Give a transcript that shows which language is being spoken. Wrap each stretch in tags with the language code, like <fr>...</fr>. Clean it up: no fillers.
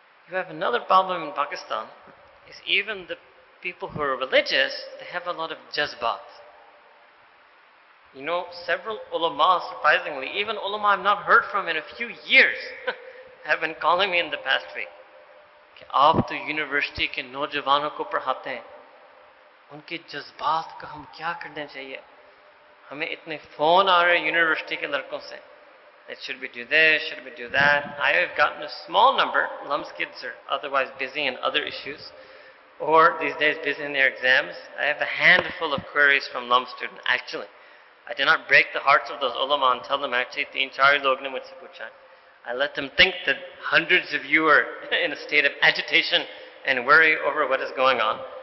<en>You have another problem in Pakistan, is even the people who are religious, they have a lot of jazbat. You know, several ulama, surprisingly, even ulama I've not heard from in a few years, have been calling me in the past week.</en> <ur>کہ آپ تو university کے نوجوانوں کو پڑھاتے ہیں، ان کے جذبات کا ہم کیا کرنے چاہیے؟ ہمیں اتنے فون آ رہے ہیں یونیورسٹی کے لڑکوں سے۔</ur> <en>that should we do this, should we do that. I have gotten a small number. Alum's kids are otherwise busy in other issues, or these days busy in their exams. I have a handful of queries from alum students, actually. I did not break the hearts of those ulama and tell them actually. I let them think that hundreds of you are in a state of agitation and worry over what is going on.</en>